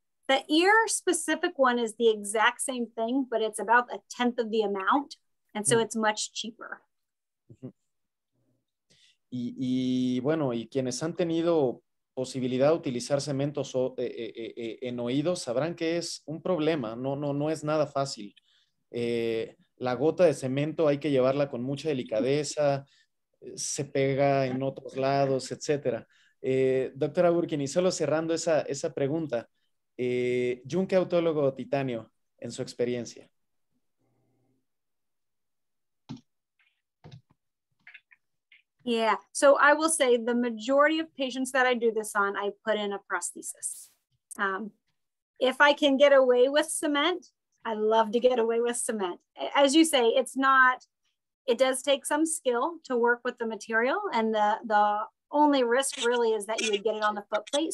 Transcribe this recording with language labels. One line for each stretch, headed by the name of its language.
English: The ear specific one is the exact same thing, but it's about a tenth of the amount. And so it's much cheaper. Uh-huh.
Spanish: Y bueno, y quienes han tenido posibilidad de utilizar cementos o, en oídos sabrán que es un problema. No es nada fácil. La gota de cemento hay que llevarla con mucha delicadeza. Se pega en otros lados, etcétera. Doctora Burkin, y solo cerrando esa pregunta, ¿yunque autólogo titanio en su experiencia?
English: Yeah, so I will say the majority of patients that I do this on, I put in a prosthesis. If I can get away with cement, I love to get away with cement. As you say, it's not, it does take some skill to work with the material, and the only risk really is that you would get it on the foot plate.